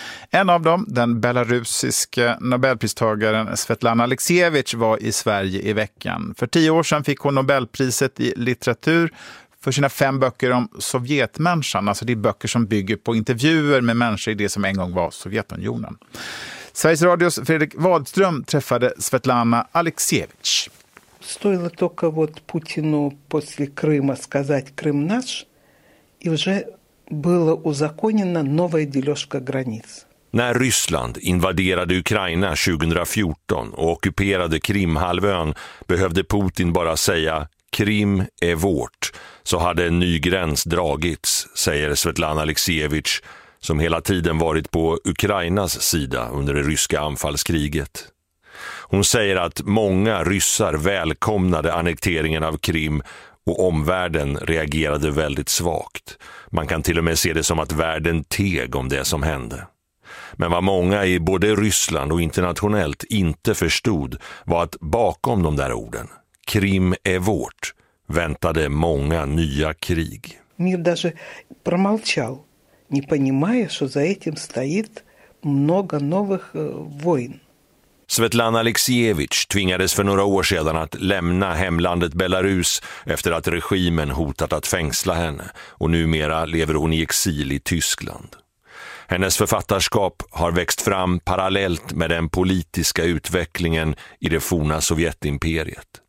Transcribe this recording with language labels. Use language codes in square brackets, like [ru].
[sv] En av dem, den belarusiska Nobelpristagaren Svetlana Aleksejevich, var i Sverige i veckan. För 10 år sedan fick hon Nobelpriset i litteratur för sina 5 böcker om sovjetmänniskan. Alltså det är böcker som bygger på intervjuer med människor i det som en gång var Sovjetunionen. Sveriges Radios Fredrik Wadström träffade Svetlana Aleksejevich. [ru] Стоило только вот Путину после Крыма сказать «Крым наш», и уже было узаконено новая дележка границ. [sv] När Ryssland invaderade Ukraina 2014 och ockuperade Krimhalvön behövde Putin bara säga Krim är vårt, så hade en ny gräns dragits, säger Svetlana Alexievich, som hela tiden varit på Ukrainas sida under det ryska anfallskriget. Hon säger att många ryssar välkomnade annekteringen av Krim och omvärlden reagerade väldigt svagt. Man kan till och med se det som att världen teg om det som hände. Men vad många i både Ryssland och internationellt inte förstod var att bakom de där orden, Krim är vårt, väntade många nya krig. [ru] Мир даже промолчал, не понимая, что за этим стоит много новых войн. [sv] Svetlana Alexievich tvingades för några år sedan att lämna hemlandet Belarus efter att regimen hotat att fängsla henne, och numera lever hon i exil i Tyskland. Hennes författarskap har växt fram parallellt med den politiska utvecklingen i det forna Sovjetimperiet.